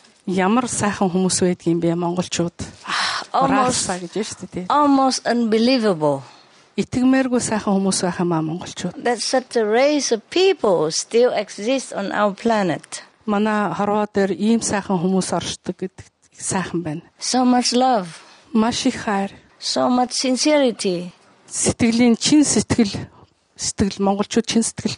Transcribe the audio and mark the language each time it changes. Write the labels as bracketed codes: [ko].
[mn] Ямар сайхан хүмүүс байдаг юм бэ монголчууд? Almost гэж ярьж байна. [en] Almost unbelievable. [mn] Итгэмээргүй сайхан хүмүүс байх юм аа монголчууд. [en] That such a race of people still exists on our planet. [mn] Манай хорвоо дээр ийм сайхан хүмүүс оршдог гэдэг сайхан байна. [en] So much love. [mn] Маш их хайр. [en] So much sincerity. [mn] Сэтгэлийн чин сэтгэл монголчууд чин сэтгэл.